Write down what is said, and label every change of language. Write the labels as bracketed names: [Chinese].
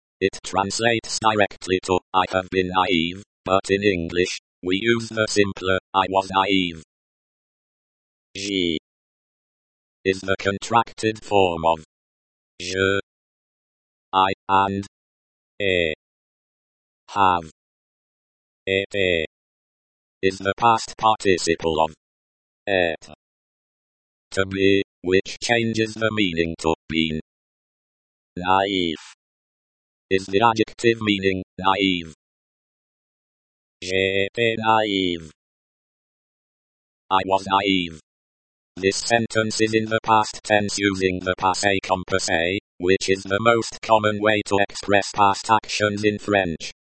[English] It translates directly to, I have been naïve, but in English, we use the simpler, I was naïve. J is the contracted form of je, I, and a. Have été is the past participle of être. To be, which changes the meaning to been. Naïf is the adjective meaning naïve. [French] J'étais naïve. [English] I was naïve. This sentence is in the past tense using the passé composé, which is the most common way to express past actions in French.